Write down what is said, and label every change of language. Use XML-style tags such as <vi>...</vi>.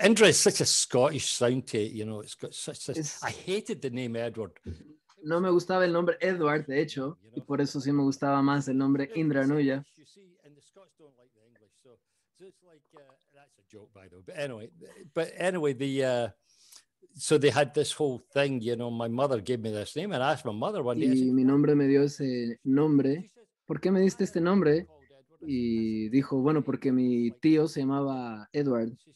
<en>Indra is such a Scottish sound to it. You know, it's got such a... I hated the name Edward.</en> <es>No me gustaba el nombre Edward, de hecho, y por eso sí me gustaba más el nombre Indranuja.</es> <en>You see, and the Scots don't like the English, so it's like... that's a joke, by the way. So they had this whole thing, you know, my mother gave me this name, and I asked my mother one day...</en> <es>Y mi nombre me dio ese nombre. ¿Por qué me diste este nombre? Y dijo, bueno, porque mi tío se llamaba Edward.</es>